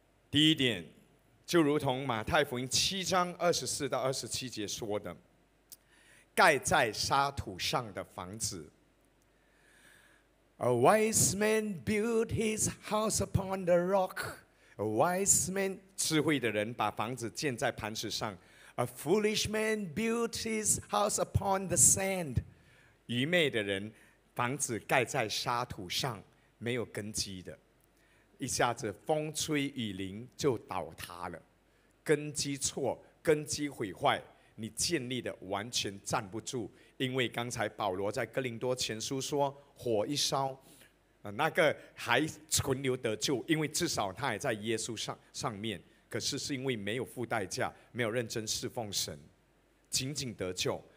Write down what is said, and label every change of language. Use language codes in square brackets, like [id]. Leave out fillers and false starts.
[zh] 第一点，就如同马太福音7:24-27说的，盖在沙土上的房子。 [en] A wise man built his house upon the rock. A wise man, [zh] 智慧的人把房子建在磐石上。 [en] A foolish man built his house upon the sand. [zh] 愚昧的人房子盖在沙土上，没有根基的，一下子风吹雨淋就倒塌了。根基错，根基毁坏，你建立的完全站不住。因为刚才保罗在哥林多前书说，火一烧，那个还存留得救，因为至少他还在耶稣 上面，可是是因为没有付代价，没有认真侍奉神，仅仅得救。